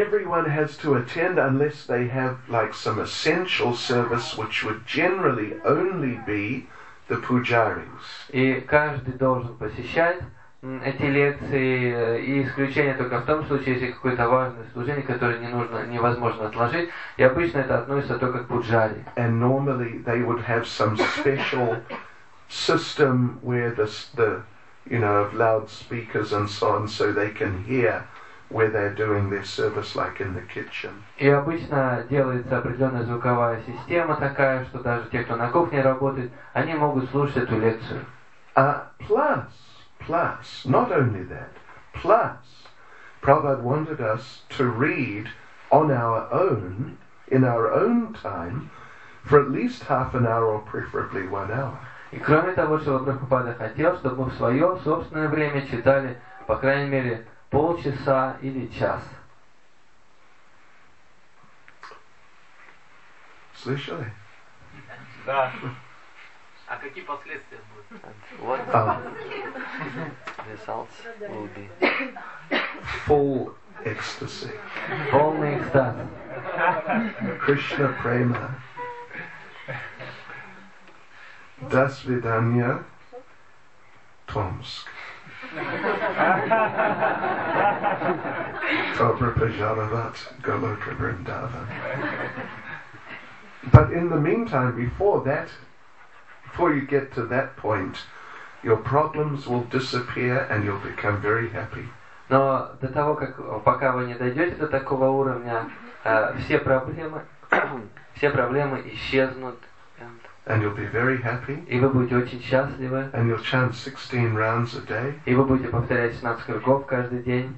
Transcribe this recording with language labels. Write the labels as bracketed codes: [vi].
[en] Everyone has to attend unless they have like some essential service, which would generally only be the pujaris. [ru] И каждый должен посещать эти лекции, и исключение только в том случае, если какое-то важное служение, которое невозможно отложить. И обычно это относится только к пуджари. [en] And normally they would have some special system where the you know of loudspeakers and so on, so they can hear where they're doing their service, like in the kitchen. [ru] И обычно делается определенная звуковая система такая, что даже те, кто на кухне работает, они могут слушать эту лекцию. [en] Plus, not only that, plus, Prabhupada wanted us to read on our own, in our own time, for at least half an hour, or preferably 1 hour. [ru] И кроме того, что Прабхупада хотел, чтобы мы в свое собственное время читали, по крайней мере, полчаса или час. Слышали? Да. А какие последствия будут? [en] What results will be? Full ecstasy. [ru] Полный экстаз. [en] Krishna prema. [ru] До свидания, Томск. Добро пожаловать, Голока Вриндаван. [en] But in the meantime, before you get to that point, your problems will disappear and you'll become very happy. [ru] Но до того, как пока вы не дойдете до такого уровня, все проблемы исчезнут. [en] And you'll be very happy. [ru] И вы будете очень счастливы. [en] And you'll chant 16 rounds a day. [ru] И вы будете повторять 16 кругов каждый день.